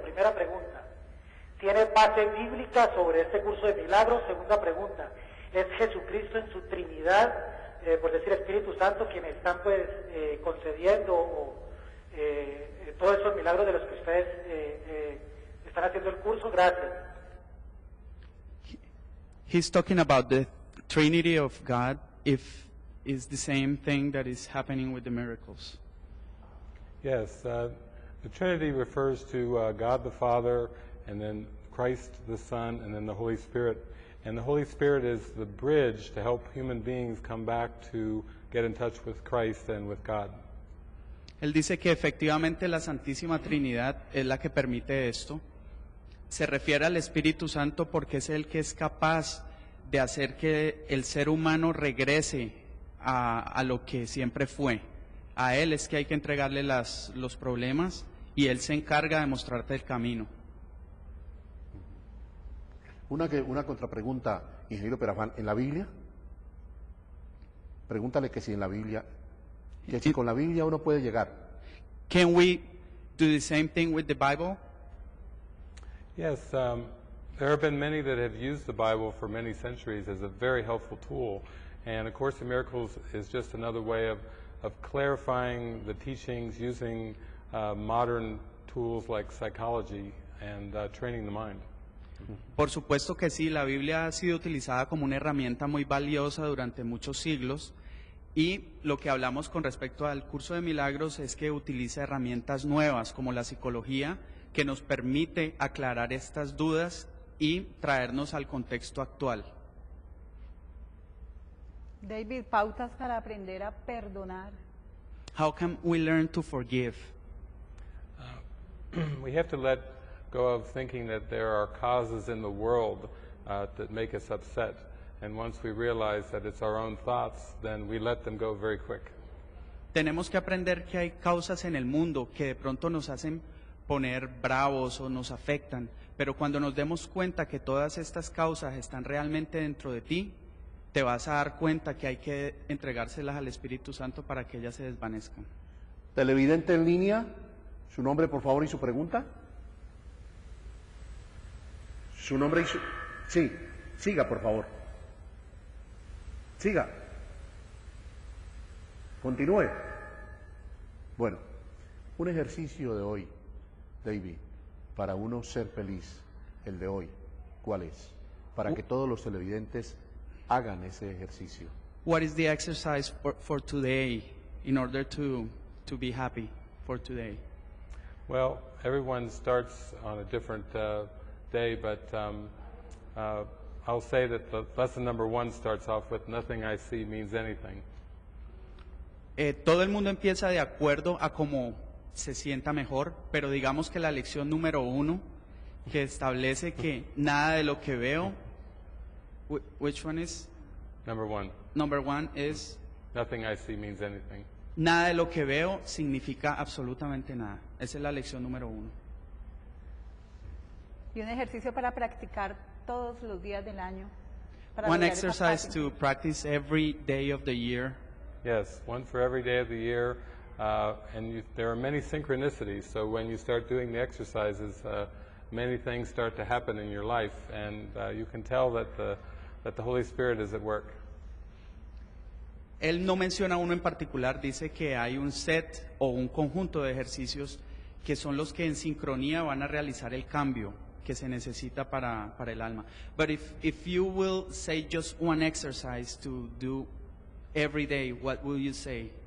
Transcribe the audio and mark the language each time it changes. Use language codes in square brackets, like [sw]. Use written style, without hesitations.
[es] Primera pregunta, ¿tiene base bíblica sobre este curso de milagros? Segunda pregunta, ¿es Jesucristo en su Trinidad, por decir Espíritu Santo, quien están pues concediendo todos esos milagros de los que ustedes están haciendo el curso? Gracias. [en] He's talking about the Trinity of God, if it's the same thing that is happening with the miracles. Yes, the Trinity refers to God the Father, and then Christ the Son, and then the Holy Spirit. And the Holy Spirit is the bridge to help human beings come back to get in touch with Christ and with God. [es] Él dice que efectivamente la Santísima Trinidad es la que permite esto. se refiere al Espíritu Santo porque es el que es capaz de hacer que el ser humano regrese a lo que siempre fue. A Él es que hay que entregarle los problemas y Él se encarga de mostrarte el camino. Una contrapregunta, ingeniero Perafán, ¿en la Biblia? Pregúntale que si en la Biblia, que si con la Biblia uno puede llegar. [en] Can we do the same thing with the Bible? Yes, there have been many that have used the Bible for many centuries as a very helpful tool. And A Course in Miracles is just another way of clarifying the teachings using modern tools like psychology and training the mind. [es] Por supuesto que sí, la Biblia ha sido utilizada como una herramienta muy valiosa durante muchos siglos. Y lo que hablamos con respecto al curso de milagros es que utiliza herramientas nuevas como la psicología, que nos permite aclarar estas dudas y traernos al contexto actual. David, pautas para aprender a perdonar. [en] How can we learn to forgive? We have to let go of thinking that there are causes in the world that make us upset. And once we realize that it's our own thoughts, then we let them go very quick. [es] Tenemos que aprender que hay causas en el mundo que de pronto nos hacen poner bravos o nos afectan. Pero cuando nos demos cuenta que todas estas causas están realmente dentro de ti, te vas a dar cuenta que hay que entregárselas al Espíritu Santo para que ellas se desvanezcan. Televidente en línea, su nombre por favor y su pregunta. Su nombre y su... Sí, siga por favor. Siga. Continúe. Bueno, un ejercicio de hoy, David, para uno ser feliz, el de hoy, ¿cuál es? Para que todos los televidentes hagan ese ejercicio. [en] What is the exercise for today in order to be happy for today? Well, everyone starts on a different day, but I'll say that the lesson number one starts off with nothing I see means anything. [es] Todo el mundo empieza de acuerdo a cómo se sienta mejor, pero digamos que la lección número uno que establece que nada de lo que veo, [en] which one is? Number one. Number one is? Nothing I see means anything. [es] Nada de lo que veo significa absolutamente nada. Esa es la lección número uno. Y un ejercicio para practicar todos los días del año. [en] One exercise to practice every day of the year. Yes, one for every day of the year. There are many synchronicities, so when you start doing the exercises, many things start to happen in your life, and you can tell that the Holy Spirit is at work. [es] Él no menciona uno en particular, dice que hay un set o un conjunto de ejercicios que son los que en sincronía van a realizar el cambio que se necesita para el alma. [en] But if you will say just one exercise to do every day, what will you say?